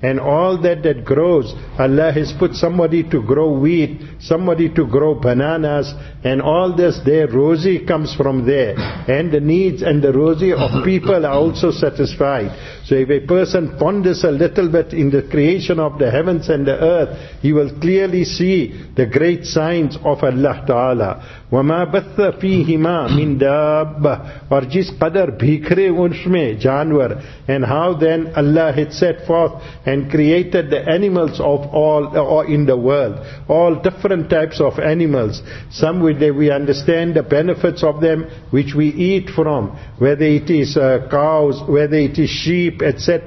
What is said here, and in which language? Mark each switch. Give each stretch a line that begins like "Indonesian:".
English: And all that grows, Allah has put somebody to grow wheat, somebody to grow bananas, and all this, their rosy comes from there. And the needs and the rosy of people are also satisfied. So if a person ponders a little bit in the creation of the heavens and the earth, he will clearly see the great signs of Allah Ta'ala.
Arabic: وَمَا بَثَّ فِيهِمَا مِنْ دَابَّ
Urdu: اور جس قدر بھیکھرے اس میں جانور.
English: And how then Allah had set forth and created the animals of all in the world, all different types of animals. Some we understand the benefits of them which we eat from, whether it is cows, whether it is sheep, etc.